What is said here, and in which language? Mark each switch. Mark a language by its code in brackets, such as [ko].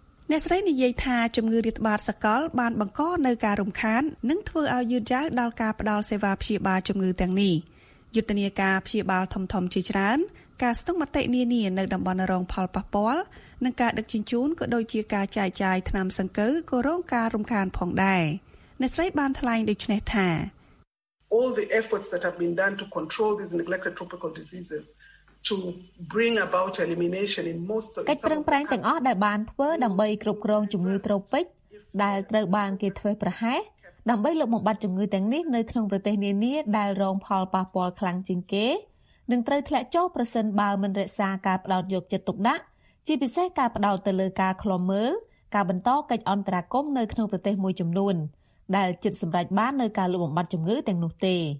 [km] អ្នកស្រីនិយាយថាជំងឺរាតត្បាតសកលបានបង្កនូវការរំខាននិងធ្វើឲ្យយឺតយ៉ាវដល់ការផ្តល់សេវាព្យាបាលជំងឺទាំងនេះយុទ្ធនាការព្យាបាលធំៗជាច្រើនការស្ទង់មតិនានានៅតំបន់រងផលប៉ះពាល់និងការដឹកជញ្ជូនក៏ដូចជាការចាយចាយថ្នាំសង្កូវក៏រងការរំខានផងដែរអ្នកស្រីបានថ្លែងដូចនេះថា [en] All the efforts that have been done to control these neglected tropical diseases to bring about elimination in most [km] កិច្ចប្រឹងប្រែងទាំងអស់ដែលបានធ្វើដើម្បីគ្រប់គ្រងជំងឺត្រូពិចដែលត្រូវបានគេធ្វើប្រហែសដើម្បីលុបបំបាត់ជំងឺទាំងនេះនៅក្នុងប្រទេសនានាដែលរងផលប៉ះពាល់ខ្លាំងជាងគេនឹងត្រូវធ្លាក់ចុះប្រសិនបើមិនរក្សាការផ្តោតយកចិត្តទុកដាក់ជាពិសេសការផ្តោតទៅលើការឃ្លាំមើលការបន្តកិច្ចអន្តរាគមន៍នៅក្នុងប្រទេសមួយចំនួនដែលចិត្តសម្រេចបាននៅការលុបបំបាត់ជំងឺទាំងនោះទេ